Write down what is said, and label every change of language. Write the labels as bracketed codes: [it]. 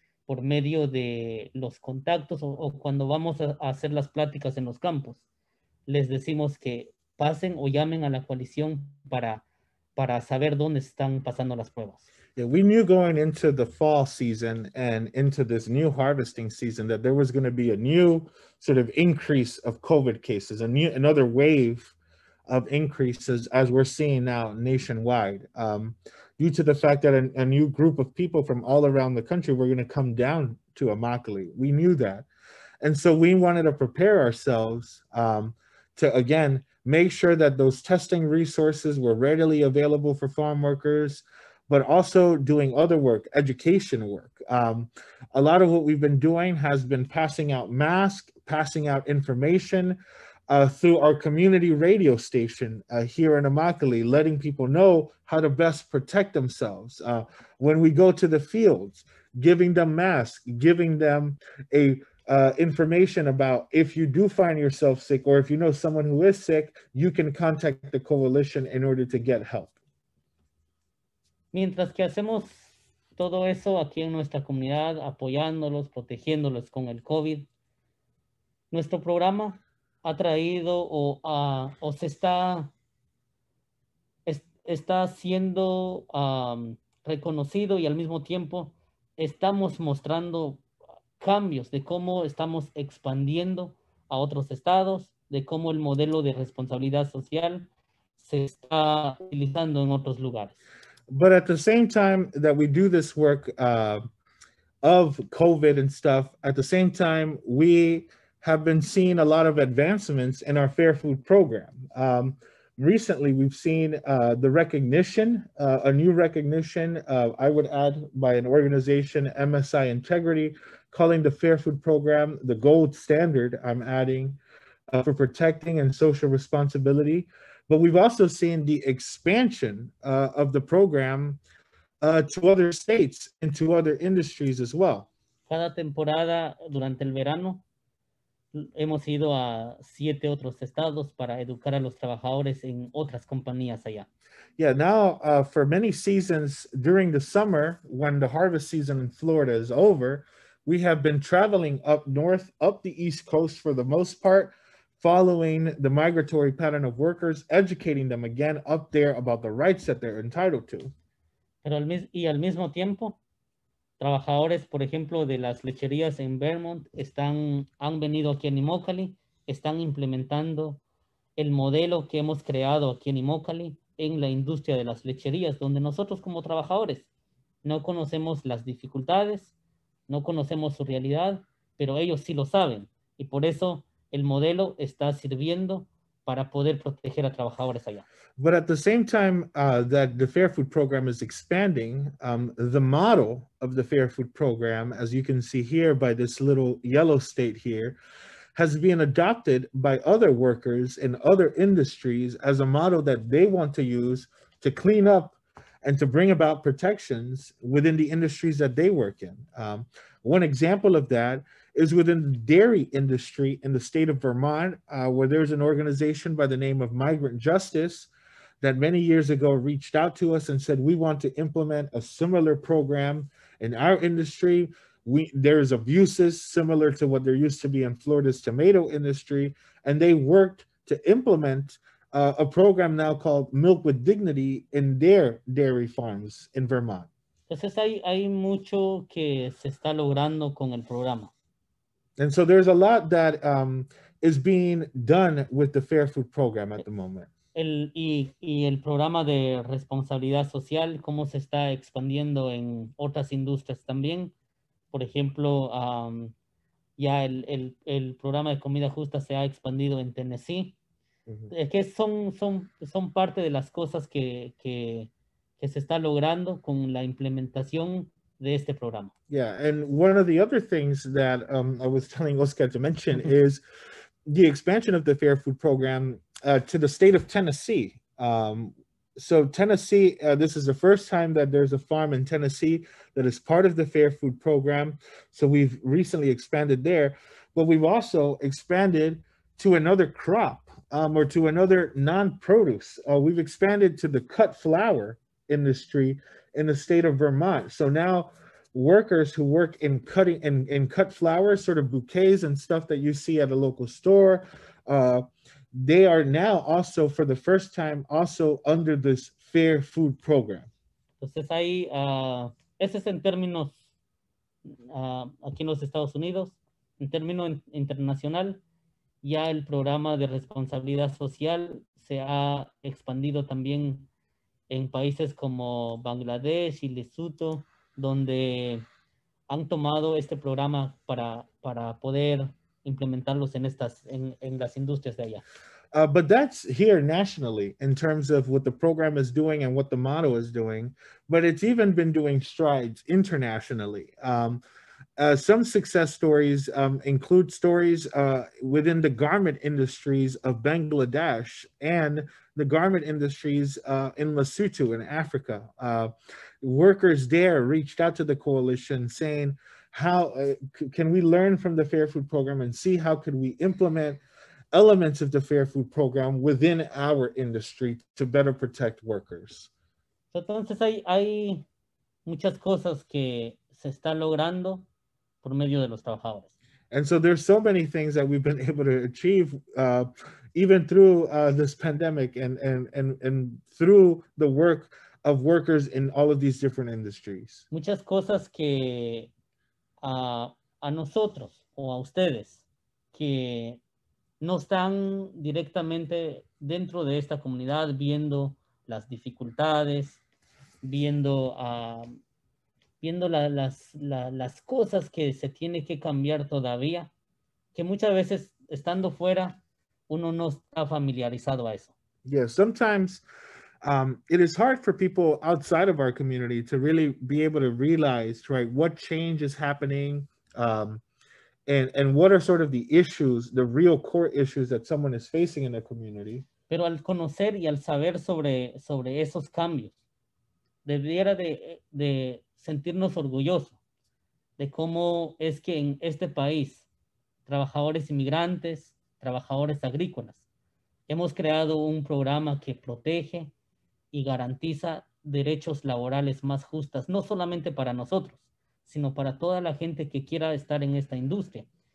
[es] por medio de los contactos o cuando vamos a hacer las pláticas en los campos. Les decimos que pasen o llamen a la coalición para saber dónde están pasando las pruebas. [en] Yeah, we knew going into the fall season and into this new harvesting season that there was going to be a new sort of increase of COVID cases, another wave of increases as we're seeing now nationwide, due to the fact that a new group of people from all around the country were going to come down to Immokalee. We knew that. And so we wanted to prepare ourselves to, again, make sure that those testing resources were readily available for farm workers, but also doing other work, education work. A lot of what we've been doing has been passing out masks, passing out information through our community radio station here in Immokalee, letting people know how to best protect themselves when we go to the fields, giving them masks, giving them a information about if you do find yourself sick or if you know someone who is sick, you can contact the coalition in order to get help. [es] Mientras que hacemos todo eso aquí en nuestra comunidad, apoyándolos, protegiéndolos con el COVID, nuestro programa ha traído o se está siendo reconocido y al mismo tiempo estamos mostrando cambios de cómo estamos expandiendo a otros estados, de cómo el modelo de responsabilidad social se está utilizando en otros lugares. [en] But at the same time that we do this work of COVID and stuff, at the same time, we have been seeing a lot of advancements in our Fair Food program. Recently, we've seen the recognition, a new recognition, I would add, by an organization, MSI Integrity, calling the Fair Food program the gold standard, I'm adding, for protecting and social responsibility. But we've also seen the expansion of the program to other states and to other industries as well. [es] Cada temporada durante el verano hemos ido a 7 otros estados para educar a los trabajadores en otras compañías allá. [en] Yeah, now for many seasons during the summer, when the harvest season in Florida is over, we have been traveling up north, up the East Coast for the most part. Following the migratory pattern of workers, educating them again up there about the rights that they're entitled to. [es] Pero al mismo tiempo, trabajadores, por ejemplo, de las lecherías en Vermont han venido aquí en Immokalee, están implementando el modelo que hemos creado aquí en Immokalee en la industria de las lecherías, donde nosotros como trabajadores no conocemos las dificultades, no conocemos su realidad, pero ellos sí lo saben y por eso el modelo está sirviendo para poder proteger a trabajadores allá. [en] But at the same time that the Fair Food program is expanding, the model of the Fair Food program, as you can see here by this little yellow state here, has been adopted by other workers in other industries as a model that they want to use to clean up and to bring about protections within the industries that they work in. One example of that is within the dairy industry in the state of Vermont, where there's an organization by the name of Migrant Justice that many years ago reached out to us and said, we want to implement a similar program in our industry. There's abuses similar to what there used to be in Florida's tomato industry. And they worked to implement a program now called Milk with Dignity in their dairy farms in Vermont. [es] Entonces hay mucho que se está logrando con el programa. [en] And so there's a lot that is being done with the Fair Food program at the moment. [es] Y el programa de responsabilidad social, cómo se está expandiendo en otras industrias también. Por ejemplo, ya el programa de comida justa se ha expandido en Tennessee. Es que son parte de las cosas que se está logrando con la implementación de este programa. [en] Yeah, and one of the other things that I was telling Oscar to mention is the expansion of the Fair Food program to the state of Tennessee. So Tennessee, this is the first time that there's a farm in Tennessee that is part of the Fair Food program. So we've recently expanded there, but we've also expanded to another crop or to another non-produce. We've expanded to the cut flower industry in the state of Vermont. So now workers who work in cutting and cut flowers, sort of bouquets and stuff that you see at a local store. They are now also, for the first time, also under this Fair Food Program. [es] Entonces ahí, ese es en términos aquí en los Estados Unidos, en término internacional, ya el programa de responsabilidad social se ha expandido también en países como Bangladesh y Lesoto, donde han tomado este programa para poder implementarlos en estas en las industrias de allá. [en] But that's here nationally in terms of what the program is doing and what the motto is doing. But it's even been doing strides internationally. Some success stories include stories within the garment industries of Bangladesh and the garment industries in Lesotho in Africa. Workers there reached out to the coalition saying, how can we learn from the Fair Food Program and see how could we implement elements of the Fair Food Program within our industry to better protect workers. [es] Entonces hay muchas cosas que se está logrando por medio de los trabajadores. [en] And so there's so many things that we've been able to achieve even through this pandemic and through the work of workers in all of these different industries. [es] Muchas cosas que a nosotros o a ustedes que no están directamente dentro de esta comunidad viendo las dificultades, viendo las cosas que se tiene que cambiar todavía, que muchas veces estando fuera uno no está familiarizado a eso. [en] Yeah, sometimes it is hard for people outside of our community to really be able to realize, right, what change is happening. And what are sort of the issues, the real core issues that someone is facing in their community. [es] Pero al conocer y al saber sobre esos cambios, debiera de sentirnos orgullosos de cómo es que en este país, trabajadores inmigrantes, trabajadores agrícolas, hemos creado un programa que protege y garantiza derechos laborales más justas, no solamente para nosotros, sino para toda la gente que quiera estar en esta industria.